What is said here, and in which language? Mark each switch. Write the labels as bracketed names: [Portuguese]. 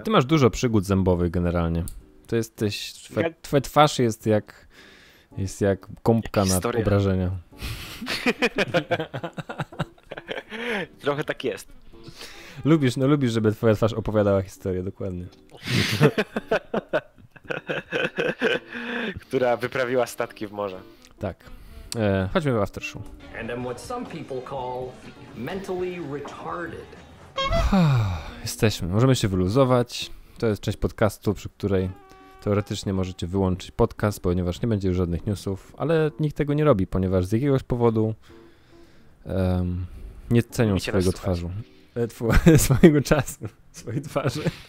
[Polish] A ty masz dużo przygód zębowych generalnie. To jesteś, twoja twarz jest jak kąpka na obrażenia. Trochę tak jest. Lubisz, żeby twoja twarz opowiadała historię, dokładnie. Która wyprawiła statki w morze. Tak. Chodźmy w aftershow. [English] And I'm what some people call mentally retarded. [Polish] Jesteśmy. Możemy się wyluzować. To jest część podcastu, przy której teoretycznie możecie wyłączyć podcast, ponieważ nie będzie już żadnych newsów, ale nikt tego nie robi, ponieważ z jakiegoś powodu nie cenią swojego twarzu. Swojego czasu, swojej twarzy.